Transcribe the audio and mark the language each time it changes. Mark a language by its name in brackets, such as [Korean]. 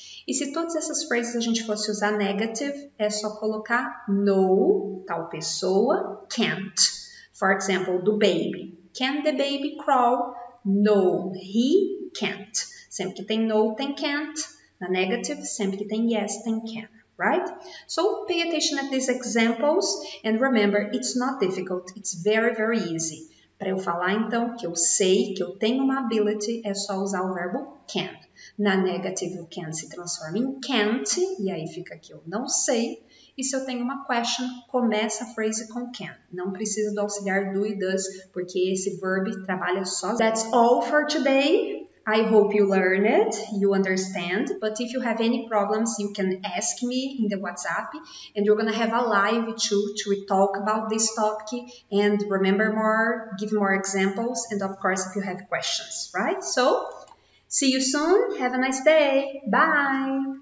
[Portuguese] E se todas essas frases a gente fosse usar negative, é só colocar no, tal pessoa, can't. [English] For example, do baby. Can the baby crawl? No, he can't. [Portuguese] Sempre que tem no, tem can't. Na negative, sempre que tem yes, tem can. [English] Right? So pay attention at these examples and remember, it's not difficult. It's very, very easy. [Portuguese] Para eu falar, então, que eu sei, que eu tenho uma ability, é só usar o verbo can. Na negative, o can se transforma em can't, e aí fica que eu não sei. E se eu tenho uma question, começa a phrase com can. Não precisa do auxiliar do e does, porque esse verb trabalha só. [English] That's all for today. I hope you learn it, you understand, but if you have any problems, you can ask me in the WhatsApp, and you're gonna have a live too to talk about this topic and remember more, give more examples, and of course, if you have questions, right? So, see you soon, have a nice day, bye!